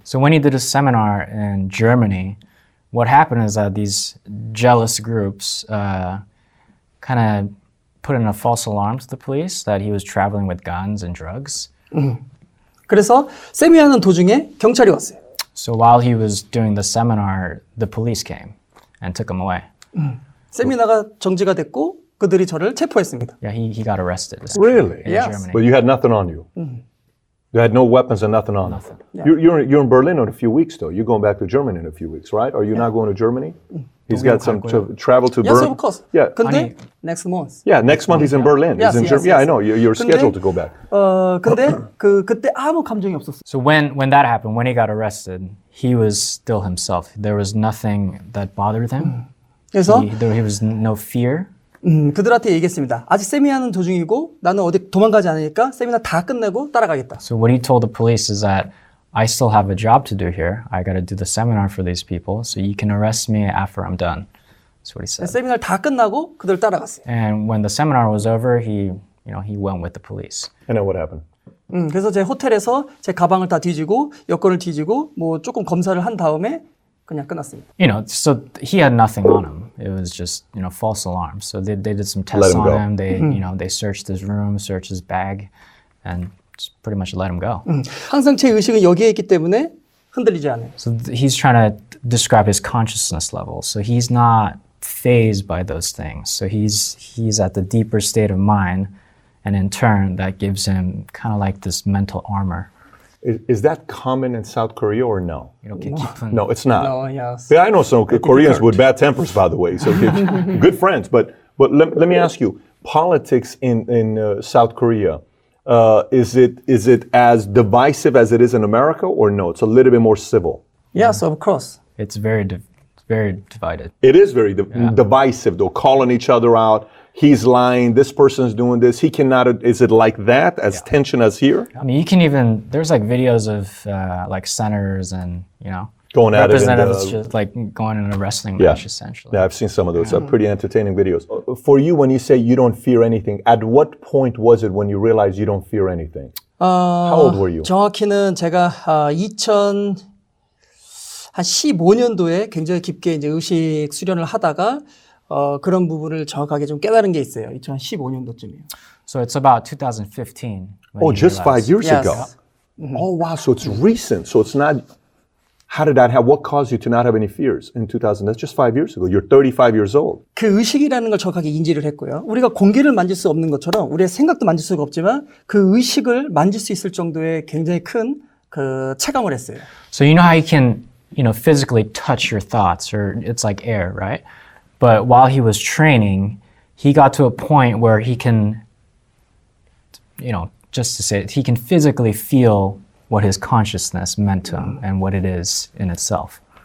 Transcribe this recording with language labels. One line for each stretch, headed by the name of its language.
English: So when he did a seminar in Germany, what happened is that these jealous groups kind of put in a false alarm to the police that he was traveling with guns and drugs.
Korean: 그래서 세미하는 도중에 경찰이 왔어요.
English: So while he was doing the seminar, the police came and took him away.
Korean: 세미나가 정지가 됐고 그들이 저를 체포했습니다.
English: Yeah, he got arrested. Really? Yes. But you had nothing on you. You had no weapons and nothing on. Nothing. Yeah. You're in Berlin in a few weeks, though. You're going back to Germany in a few weeks, right? Are you not going to Germany? He's got some travel to Berlin. Yes, of course. Yeah.
Korean: 근데
English: next month. Yeah, next month he's in Berlin. Yes, he's in Germany. Yes. Yeah, I know. You're scheduled to go back.
Korean: 근데 그때 아무 감정이 없었어.
English: So when that happened, when he got arrested, he was still himself. There was nothing that bothered him.
Korean: 그래서
English: there was no fear.
Korean: 그들한테 얘기했습니다. 아직 세미나는 도중이고 나는 어디 도망가지 않으니까 세미나 다 끝내고 따라가겠다.
English: So what he told the police is that I still have a job to do here. I got to do the seminar for these people. So you can arrest me after I'm done. That's what he said.
Korean: 세미나를 다 끝나고 그들 따라갔어요.
English: And when the seminar was over, he went with the police. And then what happened?
Korean: 그래서 제 호텔에서 제 가방을 다 뒤지고 여권을 뒤지고 뭐 조금 검사를 한 다음에 그냥 끝났습니다.
English: You know, so he had nothing on him. It was just, you know, false alarm. So they did some tests him on Him. They, you know, they searched his room, searched his bag, and pretty much let him go.
Korean: 항상 제 의식은 여기에 있기 때문에 흔들리지 않아요.
English: So he's trying to describe his consciousness level. So he's not fazed by those things. So he's at the deeper state of mind. And in turn, that gives him kind of like this mental armor. Is that common in South Korea or no? No, it's not. No, yes. Yeah, I know some Koreans with bad tempers, by the way. So good friends. But let me ask you, politics in South Korea, is it as divisive as it is in America or no? It's a little bit more civil. Yes, of course. It's very divided. It is very divisive, though, calling each other out. He's lying, this person's doing this, he cannot, is it like that, as tension as here? I mean, you can even, there's like videos of like senators and, you know, going at representatives it just like going in a wrestling match, essentially. Yeah, I've seen some of those, pretty entertaining videos. For you, when you say you don't fear anything, at what point was it when you realized you don't fear anything? How old were you?
Korean: 정확히는 제가 2015년도에 굉장히 깊게 이제 의식 수련을 하다가 그런 부분을 정확하게 좀 깨달은 게 있어요. 2015년도쯤이에요.
English: So it's about 2015. Oh, just 5 years yes. ago. Oh, wow. So it's recent. So it's not. How did that happen? What caused you to not have any fears in 2000? That's just 5 years ago. You're 35 years old.
Korean: 그 의식이라는 걸 정확하게 인지를 했고요. 우리가 공기를 만질 수 없는 것처럼 우리의 생각도 만질 수가 없지만 그 의식을 만질 수 있을 정도의 굉장히 큰 그 체감을 했어요.
English: So you know how you can, you know, physically touch your thoughts, or it's like air, right? But while he was training, he got to a point where he can, you know, just to say it, he can physically feel what his consciousness meant to him and what it is in itself.